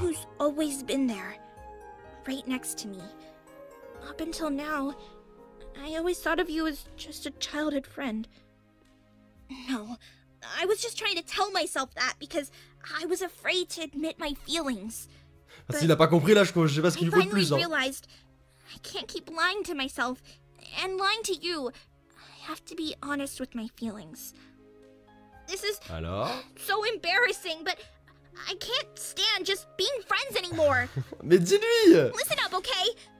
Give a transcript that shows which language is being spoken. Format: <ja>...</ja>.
<en>Who's always been there. Right next to me. Up until now, I always thought of you as just a childhood friend. No, I was just trying to tell myself that because I was afraid to admit my feelings.</en> <fr>Ah, il a pas compris là, je sais pas ce qu'il veut plus.</fr> <en>I finally realized I can't keep lying to myself and lying to you. I have to be honest with my feelings. This is so embarrassing, but I can't stand just being friends anymore.</en> <fr>Mais dis-lui.</fr> <en>Listen up, okay?</en>